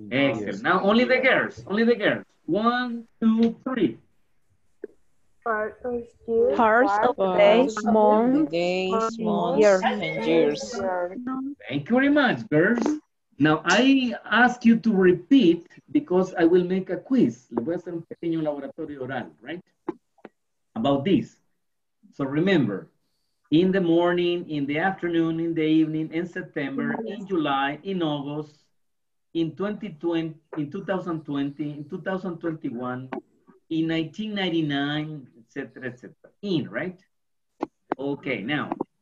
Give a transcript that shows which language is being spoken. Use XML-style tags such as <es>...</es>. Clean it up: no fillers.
<en>Excellent. Now only the girls. Only the girls. One, two, three. Parts of the day, months, years. Thank you very much, girls. Now, I ask you to repeat because I will make a quiz.</en> <es>Le voy a hacer un pequeño laboratorio oral, right?</es> <en>About this. So remember, in the morning, in the afternoon, in the evening, in September, in July, in August, in 2020, in 2021, in 1999, etc., etc. In, right? Okay, now.</en>